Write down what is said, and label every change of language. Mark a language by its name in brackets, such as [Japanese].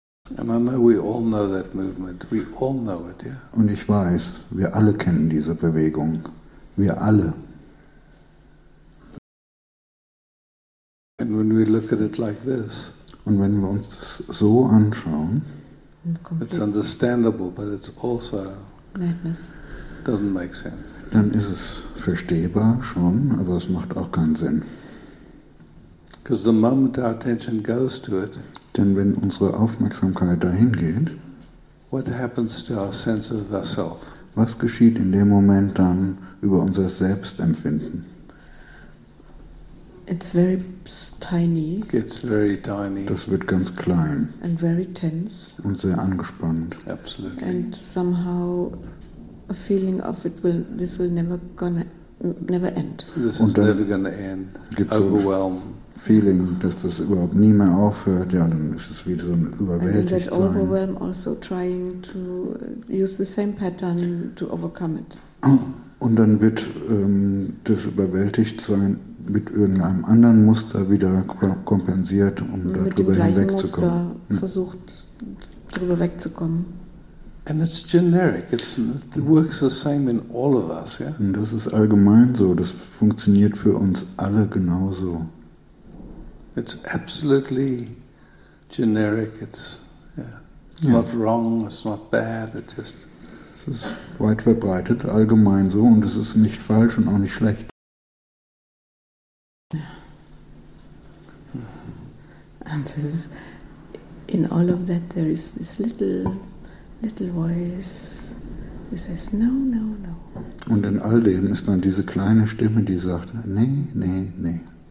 [English] Yeah. And I know we all know that movement. We all know it, yeah. [German] Und ich weiß, wir alle kennen diese Bewegung. Wir alle. [English] And when we look at it like this. [German] Und wenn wir uns das so anschauen. [English] It's understandable, but it's also madness. Doesn't make sense. [German] Dann ist es verstehbar schon, aber es macht auch keinen Sinn. [English] Because the moment our attention goes to it, [German] denn wenn unsere Aufmerksamkeit dahin geht, [English] what happens to our sense of ourself? [German] Was geschieht in dem Moment dann über unser Selbstempfinden? [English] It's very tiny. Gets very tiny. [German] Das wird ganz klein. [English] And very tense. [German] Und sehr angespannt. [English] Absolutely. And somehow a feeling of this will never end. This is never gonna end. Overwhelm. [German] Feeling, dass das überhaupt nie mehr aufhört. Ja, dann ist es wieder so ein überwältigt sein. [English] And that overwhelm also trying to use the same pattern to overcome it. [German] Und dann wird das überwältigt sein. Mit irgendeinem anderen Muster wieder kompensiert, um darüber hinwegzukommen. Mit dem gleichen Muster versucht, darüber wegzukommen. [English] And it's generic. It works the same in all of us. Yeah? [German] Und das ist allgemein so. Das funktioniert für uns alle genauso. [English] It's absolutely generic. It's not wrong. It's not bad. It's just. [German] Es ist weit verbreitet, allgemein so, und es ist nicht falsch und auch nicht schlecht. [English] And this is, in all of that there is this little voice who says no. [German] Und in all dem ist dann diese kleine Stimme, die sagt nee.